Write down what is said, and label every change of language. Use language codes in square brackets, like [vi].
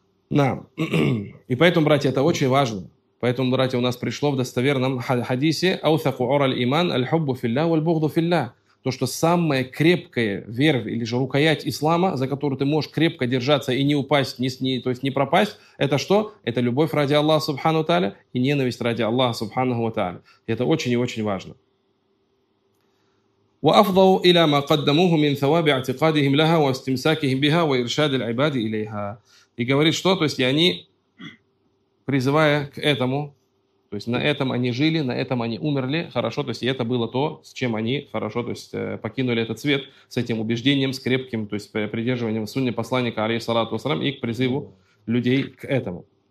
[ru] На. И поэтому, братья, это очень важно. Поэтому, братья, у нас пришло в достоверном хадисе [ar] «Аутаку ураль иман аль-хуббу филля валь-бугду филля». [ru] То, что самая крепкая верь или же рукоять ислама, за которую ты можешь крепко держаться и не упасть, то есть не пропасть, это что? Это любовь ради Аллаха Субхану Тааля и ненависть ради Аллаха Субхану Тааля. Это очень и очень важно. [ar] وأفضوا إلى ما قدموه من ثواب اعتقادهم لها واستمساكهم بها وإرشاد العباد إليها. [ru] И говорит, что? То есть они, призывая к этому, то есть на этом они жили, на этом они умерли, хорошо, то есть это было то, с чем они, хорошо, то есть покинули этот свет, с этим убеждением, с крепким, то есть придерживанием сунни посланника, алейхиссалату вассалям, и к призыву людей к этому.